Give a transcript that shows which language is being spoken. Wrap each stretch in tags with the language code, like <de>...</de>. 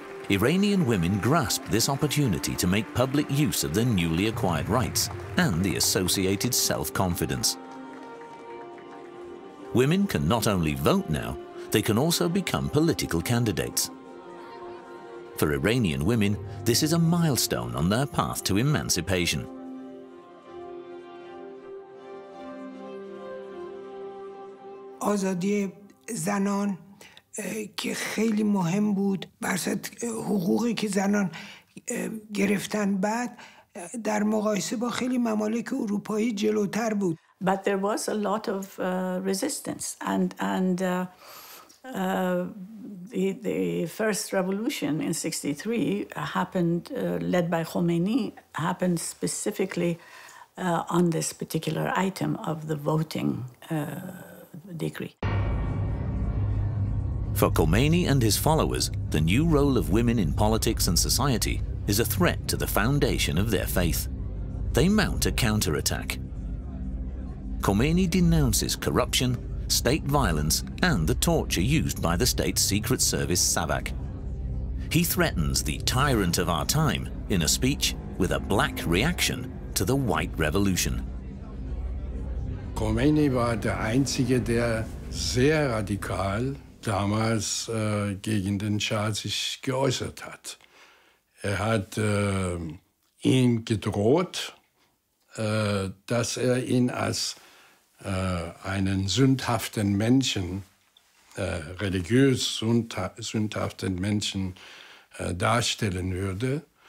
<en>Iranian women grasp this opportunity to make public use of their newly acquired rights and the associated self-confidence. Women can not only vote now, they can also become political candidates. For Iranian women, this is a milestone on their path to emancipation.</en> <fa>آزادی زنان که خیلی مهم بود برصد حقوقی که زنان گرفتن بعد در مقایسه با خیلی ممالک اروپایی جلوتر بود.</fa> <en>But there was a lot of resistance and the first revolution in 63 happened led by Khomeini happened specifically on this particular item of the voting decree. For Khomeini and his followers, the new role of women in politics and society is a threat to the foundation of their faith. They mount a counterattack. Khomeini denounces corruption, state violence, and the torture used by the state's secret service, SAVAK. He threatens the tyrant of our time in a speech with a black reaction to the white revolution.</en> <de>Khomeini war der Einzige, der sehr radikal damals gegen den Schah sich geäußert hat. Er hat ihn gedroht, dass er ihn als einen sündhaften Menschen, religiös sündhaften Menschen darstellen würde.</de>